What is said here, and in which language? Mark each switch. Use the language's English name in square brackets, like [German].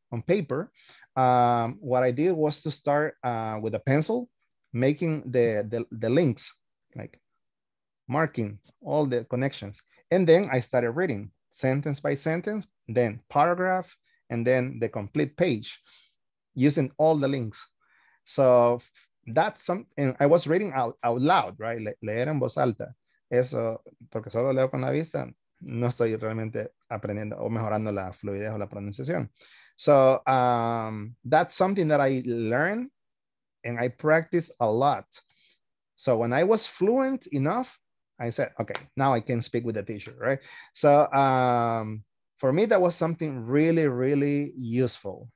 [English] On paper, what I did was to start with a pencil, making the links, like marking all the connections. And then I started reading sentence by sentence, then paragraph, and then the complete page using all the links. So that's something, I was reading out loud, right? [Spanish] Leer en voz alta. Eso, porque solo leo con la vista, no estoy realmente aprendiendo o mejorando la fluidez o la pronunciación. [English] So that's something that I learned and I practiced a lot. So when I was fluent enough, I said, okay, now I can speak with the teacher, right? So, for me, that was something really, really useful.